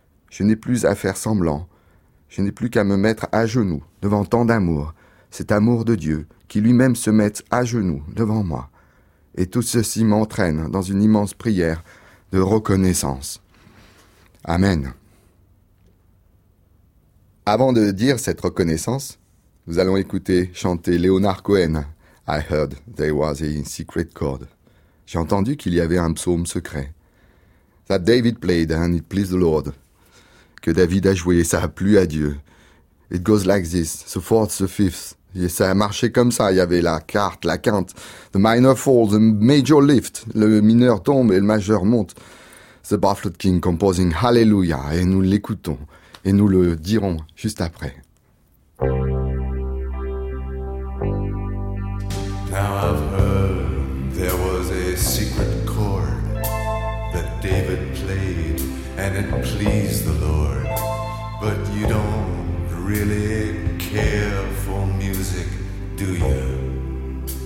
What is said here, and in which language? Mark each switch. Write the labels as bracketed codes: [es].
[fr] Je n'ai plus à faire semblant, je n'ai plus qu'à me mettre à genoux devant tant d'amour, cet amour de Dieu qui lui-même se met à genoux devant moi. Et tout ceci m'entraîne dans une immense prière de reconnaissance. Amen. Avant de dire cette reconnaissance, nous allons écouter chanter Leonard Cohen. [en] I heard there was a secret chord. [fr] J'ai entendu qu'il y avait un psaume secret. [en] That David played and it pleased the Lord. [fr] Que David a joué et ça a plu à Dieu. [en] It goes like this, the fourth, the fifth. [fr] Et ça a marché comme ça, il y avait la quarte, la quinte. [en] The minor falls, the major lift. [fr] Le mineur tombe et le majeur monte. [en] The baffled king composing hallelujah. [fr] Et nous l'écoutons et nous le dirons juste après. [en] Now I've heard there was a secret chord that David played and it pleased the Lord. But you don't really care for music, do you?